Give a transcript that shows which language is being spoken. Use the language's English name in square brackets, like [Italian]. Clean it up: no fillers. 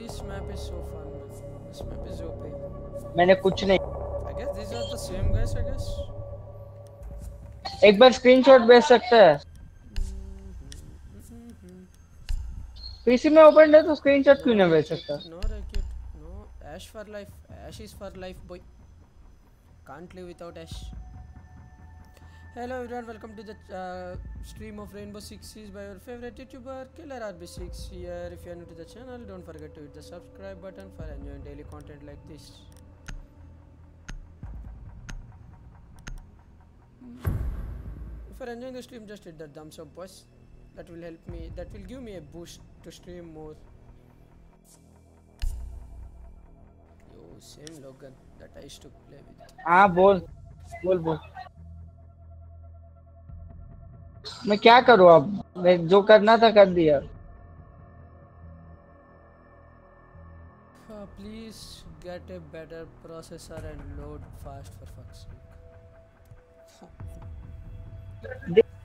[English] this map is so fun this map is OP [Hindi] मैंने कुछ नहीं [English] I guess this are the same guys I guess [Hindi] एक बार screenshot भेज सकते हैं पीसी में ओपन है तो स्क्रीनशॉट क्यों नहीं भेज सकता [English] No racket no Ash for life Ash is for life boy can't live without Ash Hello everyone, welcome to the stream of Rainbow Six Siege by your favorite YouTuber KillerRB6 here. If you are new to the channel, don't forget to hit the subscribe button for enjoying daily content like this. for enjoying the stream, just hit that thumbs up, boss. That will help me, that will give me a boost to stream more. Yo, same Logan that I used to play with. [Hindi] Ah, bol. Bol, bol. मैं क्या करूं अब मैं जो करना था कर दिया [English] please get a better processor and load fast for fuck's sake